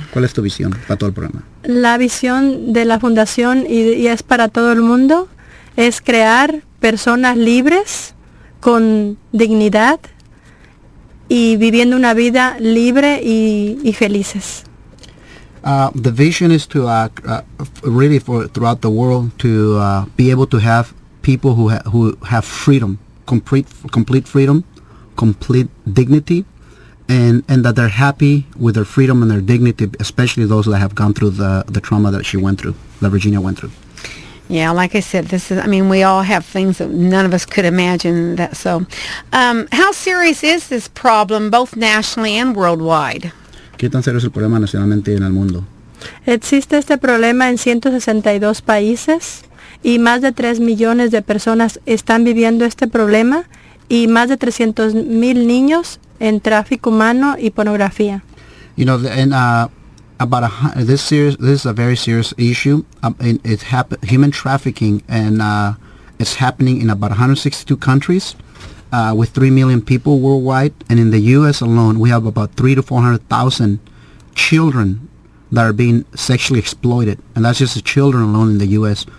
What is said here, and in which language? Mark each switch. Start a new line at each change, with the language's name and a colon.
Spanish: ¿Cuál es tu visión para todo el programa? La visión de la fundación y es para todo el mundo es crear personas libres con dignidad y viviendo una vida libre y felices.
English: The vision is to really for throughout the world to be able to have people who have freedom, complete freedom, complete dignity, and that they're happy with their freedom and their dignity, especially those that have gone through the trauma that she went through, that Virginia went through. Yeah, like I said, this is, I mean, we all have things that none of us could imagine that, so. How serious is this problem, both nationally and worldwide?
Spanish: ¿Qué tan serio es el problema nacionalmente y en el mundo? Existe este problema en 162 países, y más de 3 millones de personas están viviendo este problema, y más de 300,000 niños en tráfico humano y pornografía.
English: You know, this is a very serious issue. Human trafficking, and it's happening in about 162 countries, with 3 million people worldwide. And in the U.S. alone, we have about 300,000 to 400,000 children that are being sexually exploited, and that's just the children alone in the U.S.